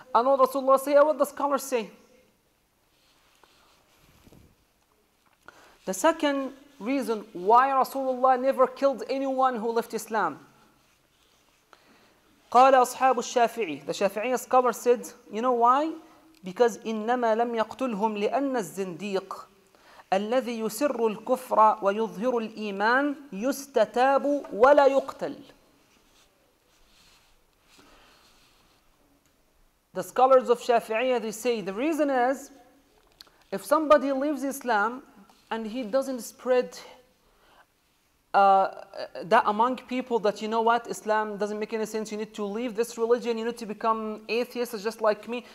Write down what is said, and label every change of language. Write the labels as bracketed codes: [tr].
[en] And what Rasulullah say, what the scholars say. The second reason why Rasulullah never killed anyone who left Islam. [ar] قال أصحاب الشافعي. [en] The Shafi'i scholar said, you know why? Because [ar] إنما لم يقتلهم لأن الزنديق الذي يسر الكفر ويظهر الإيمان يستتاب ولا يقتل. [en] The scholars of Shafi'iyya, they say, the reason is, if somebody leaves Islam and he doesn't spread that among people that, you know what, Islam doesn't make any sense, you need to leave this religion, you need to become atheists just like me.